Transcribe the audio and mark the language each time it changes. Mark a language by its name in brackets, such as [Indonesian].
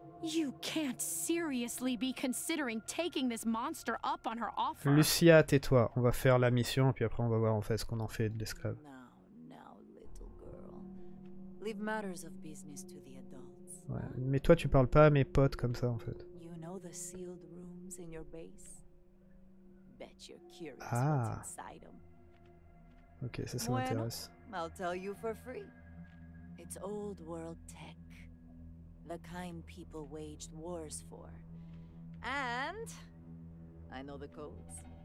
[English] You can't seriously be considering taking this monster up on her offer. [French] Lucia, tais-toi. On va faire la mission, puis après on va voir en fait ce qu'on en fait de l'esclave. [English] Now, little girl. Leave matters of business to the adults. [French] Ouais. Mais toi, tu parles pas à mes potes comme ça, en fait. [English] You know the sealed rooms in your base? Bet you're curious what's inside them. [French] Ok, ça m'intéresse. [English] Bueno, I'll tell you for free. It's old world tech. The kind people waged wars for. And I know the codes.